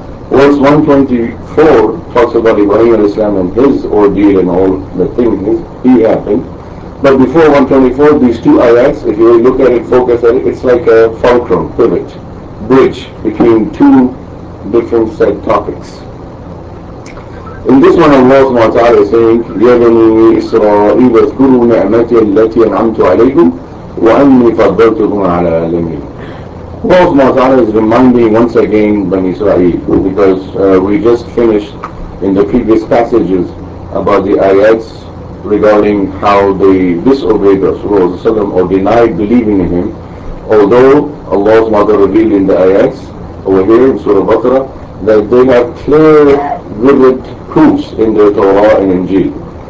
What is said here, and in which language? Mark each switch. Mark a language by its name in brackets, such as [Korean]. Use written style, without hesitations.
[English] Verse 124 talks about Ibrahim alayhi salam and his ordeal and all the things he happened. But before 124, these two ayats, if you look at it, focus at it, it's like a fulcrum, pivot, bridge between two different set topics. In this one, Allah subhanahu wa ta'ala is saying, [Arabic] يَا بَنِي إِسْرَائِيلَ اذْكُرُوا نِعْمَتِيَ الَّتِي أَنْعَمْتُ عَلَيْكُمْ وَأَنِّي فَضَّلْتُكُمْ عَلَى الْعَالَمِينَ. [English] Allah subhanahu wa ta'ala is reminding once again Bani Israel, because we just finished in the previous passages about the ayats regarding how they disobeyed Rasulullah or denied believing in him, although Allah subhanahu wa ta'ala revealed in the ayats over here in Surah Baqarah that they have clear, vivid proofs in their Torah and Injil.